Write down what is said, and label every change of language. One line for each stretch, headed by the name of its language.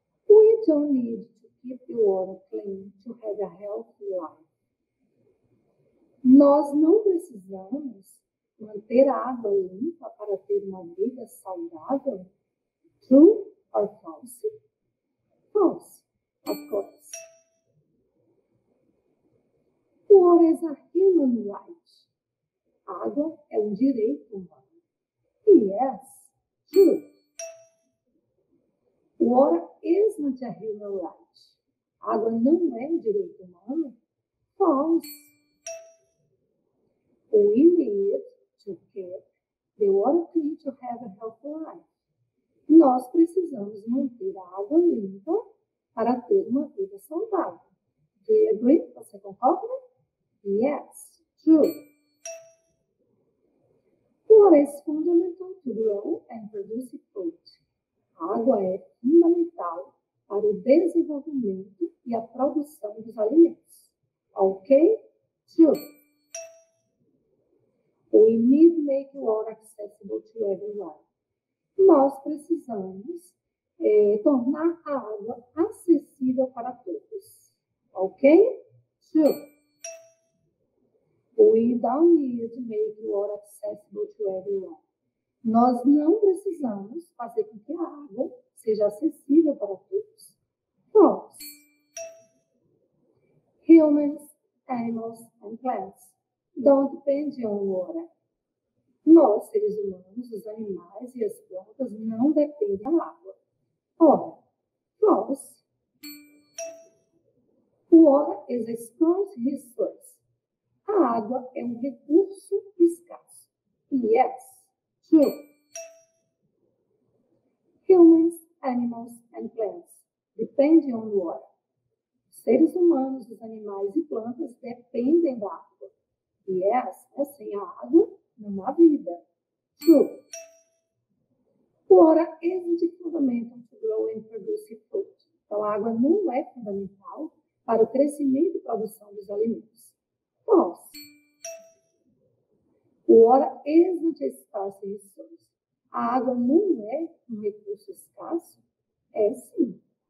English: We don't need to keep the water clean to have a healthy life.
Portuguese: Nós não precisamos manter a água limpa para ter uma vida saudável?
English: True or false? False, of course. What is a human right?
Portuguese: Água é um direito humano.
English: Yes, true. What isn't a human right?
Portuguese: Água não é um direito humano? False.
English: We need to keep the water clean to have a healthy life.
Portuguese: Nós precisamos manter a água limpa para ter uma vida saudável.
English: Do you agree?
Portuguese: Você concorda?
English: Yes, true. Water is fundamental to grow and produce food.
Portuguese: Água é fundamental para o desenvolvimento e a produção dos alimentos. Ok? True.
English: We need to make water accessible to everyone.
Portuguese: Nós precisamos tornar a água acessível para todos.
English: Ok? True. We don't need to make water accessible to everyone.
Portuguese: Nós não precisamos fazer com que a água seja acessível para todos. Nós.
English: Humans, animals and plants don't depend on water.
Portuguese: Nós, seres humanos, os animais e as plantas não dependem da água. Ora, nós.
English: Water is a scarce resource.
Portuguese: A água é um recurso escasso.
English: Yes, true. Humans, animals and plants depend on water.
Portuguese: Seres humanos, os animais e plantas dependem da água. Yes, é sem a água, não há vida.
English: True. Water isn't fundamental to grow and produce food.
Portuguese: Então, a água não é fundamental para o crescimento e produção dos alimentos.
English: False. Water isn't a scarce resource.
Portuguese: A água não é um recurso escasso? É sim.